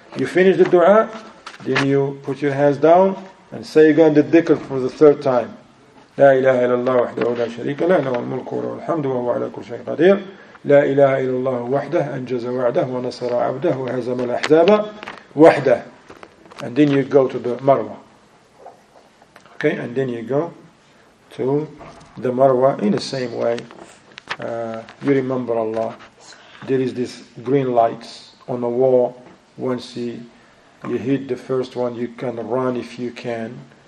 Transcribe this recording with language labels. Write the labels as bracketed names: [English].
[English] You finish the dua, then you put your hands down and say again the dhikr for the third time. [Arabic] لا إله إلا الله وحده لا شريك له له الملك وله الحمد وهو على كل شيء قدير. لا إله إلا الله وحده أنجز وعده ونصر عبده وهزم الأحزاب وحده. [English] And then you go to the Marwa. Okay, and then you go to the Marwa in the same way. You remember Allah. There is this green lights on the wall. Once you hit the first one, you can run if you can.